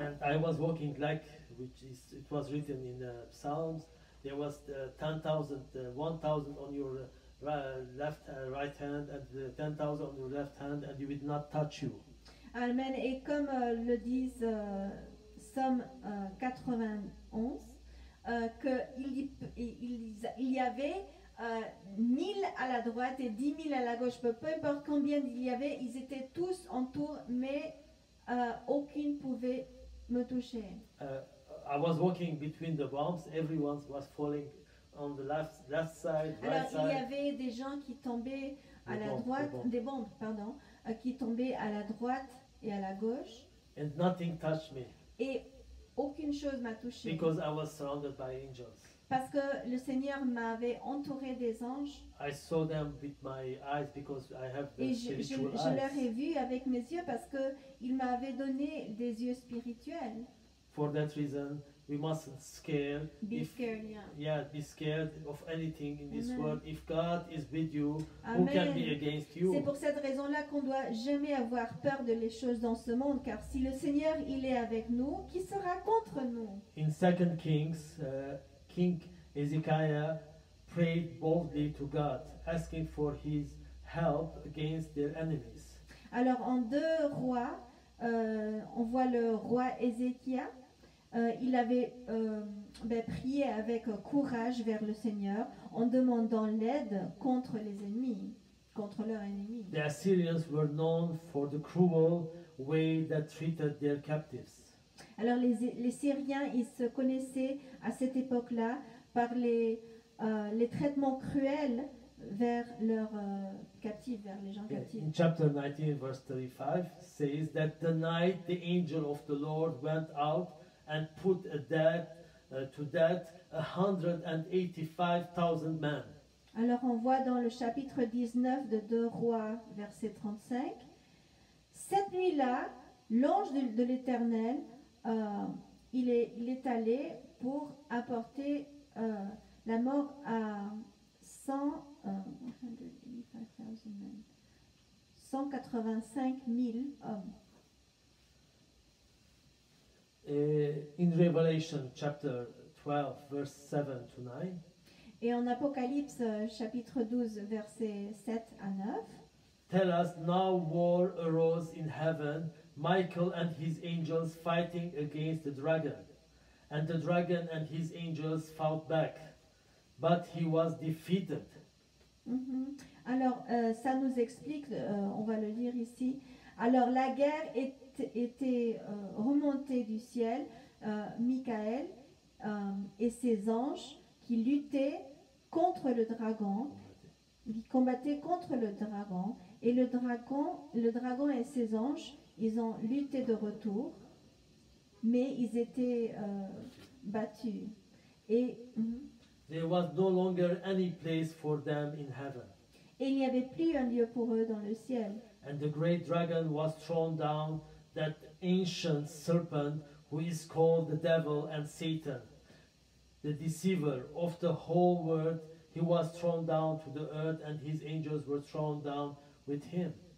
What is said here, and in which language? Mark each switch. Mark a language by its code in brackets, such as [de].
[en] And I was walking like, which is, it was written in the Psalms, there was 1,000 on your left right hand and 10,000 on your left hand and you will not touch you. Amen. [fr] Et comme le disent Psaume 91, qu'il y avait 1000 à la droite et 10 000 à la gauche, peu importe combien il y avait, ils étaient tous entourés, mais aucune pouvait me toucher. [en] I was walking between the bombs, everyone was falling on the left side, right. [fr] Alors, [en] side. [fr] Il y avait des gens qui tombaient à la droite, des bombes, qui tombaient à la droite et à la gauche. [en] And nothing touched me. [fr] Et aucune chose m'a touché. [en] Because I was surrounded by angels. [fr] Parce que le Seigneur m'avait entouré des anges. [en] I saw them with my eyes because I have the spiritual [fr] eyes. Et je leur ai vu avec mes yeux parce que il m'avait donné des yeux spirituels. [en] For that reason, we mustn't scare. Be scared of anything in this Amen. World. If God is with you, Amen. Who can be against you? [fr] C'est pour cette raison-là qu'on doit jamais avoir peur de les choses dans ce monde, car si le Seigneur il est avec nous, qui sera contre nous? [en] In 2 Kings, King Hezekiah prayed boldly to God, asking for his help against their enemies. [fr] Alors en 2 Rois, on voit le roi Hezekiah. Il avait prié avec courage vers le Seigneur en demandant l'aide contre les ennemis, contre leurs ennemis. [en] The Assyrians were known for the cruel way that treated their captives. [fr] Alors les Syriens, ils se connaissaient à cette époque-là par les traitements cruels vers leurs captifs, vers les gens captifs. [en] In chapter 19, verse 35, says that the night the angel of the Lord went out and put to death 185,000 men. [fr] Alors on voit dans le chapitre 19 de 2 Rois, verset 35, cette nuit-là, l'ange de l'Éternel, il est allé pour apporter la mort à 185,000 hommes. [en] In Revelation chapter 12, verse 7 to 9. [fr] Et en Apocalypse chapitre 12, versets 7 à 9. [en] Tell us now war arose in heaven, Michael and his angels fighting against the dragon. And the dragon and his angels fought back, but he was defeated. Mm-hmm. [fr] Alors, ça nous explique, on va le lire ici. Alors, la guerre est était remonté du ciel, Michael et ses anges qui luttaient contre le dragon, qui combattaient contre le dragon, et le dragon et ses anges, ils ont lutté de retour, mais ils étaient battus. Et [en] there was no longer any place for them in heaven. [fr] Et il n'y avait plus un lieu pour eux dans le ciel. [en] And the great dragon was thrown down, that ancient serpent who is called the devil and Satan, the deceiver of the whole world. He was thrown down to the earth, and his angels were thrown down with him.